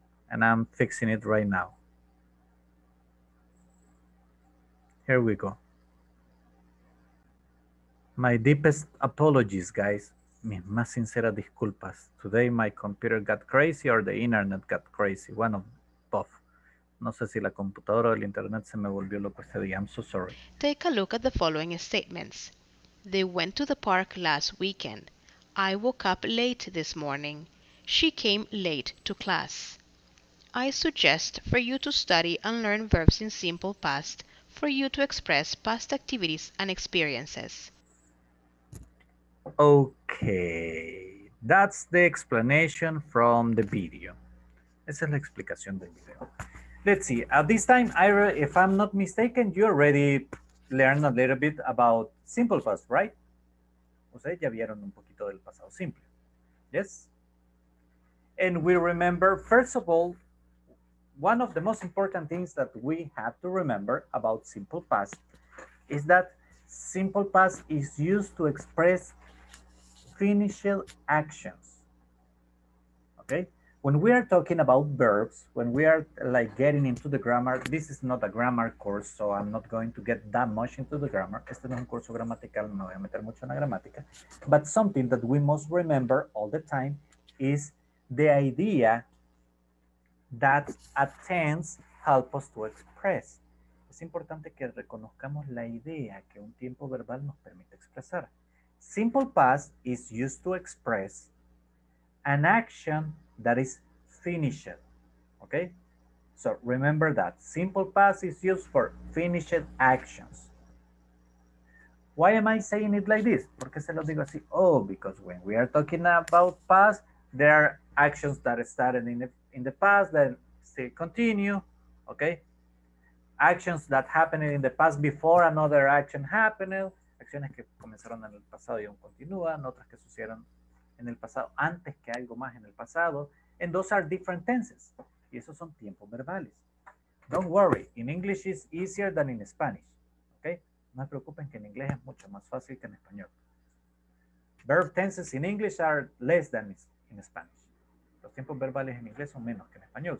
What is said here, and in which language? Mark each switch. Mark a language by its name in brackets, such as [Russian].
[English] And I'm fixing it right now. Here we go. My deepest apologies, guys. [Spanish] Mis más sinceras disculpas. [English] Today my computer got crazy or the internet got crazy. One of both. [Spanish] No sé si la computadora o el internet se me volvió loco este día. [English] I'm so sorry. Take a look at the following statements. They went to the park last weekend. I woke up late this morning. She came late to class. I suggest for you to study and learn verbs in simple past for you to express past activities and experiences. Okay, that's the explanation from the video. [Spanish] Esa es la explicación del video. [English] Let's see, at this time, Ira, if I'm not mistaken, you already learned a little bit about simple past, right? [Spanish] Ustedes ya vieron un poquito del pasado simple. [English] Yes? And we remember, first of all, one of the most important things that we have to remember about simple past is that simple past is used to express finished actions. Okay? when we are talking about verbs, when we are like getting into the grammar, this is not a grammar course, so I'm not going to get that much into the grammar. [Spanish] Este no es un curso gramatical, no voy a meter mucho en la gramática. [English] But something that we must remember all the time is the idea that a tense helps us to express. [Spanish] Es importante que reconozcamos la idea que un tiempo verbal nos permite expresar. [English] Simple past is used to express an action that is finished, okay? So remember that. Simple past is used for finished actions. Why am I saying it like this? [Spanish] ¿Por qué se lo digo así? [English] Oh, because when we are talking about past, there are actions that started in the past that still continue, okay? Actions that happened in the past before another action happened. [Spanish] Acciones que comenzaron en el pasado y aún continúan. Otras que sucedieron en el pasado antes que algo más en el pasado. [English] And those are different tenses. [Spanish] Y esos son tiempos verbales. [English] Don't worry. In English is easier than in Spanish. Okay? [Spanish] No se preocupen que en inglés es mucho más fácil que en español. [English] Verb tenses in English are less than in Spanish. [Spanish] Los tiempos verbales en inglés son menos que en español.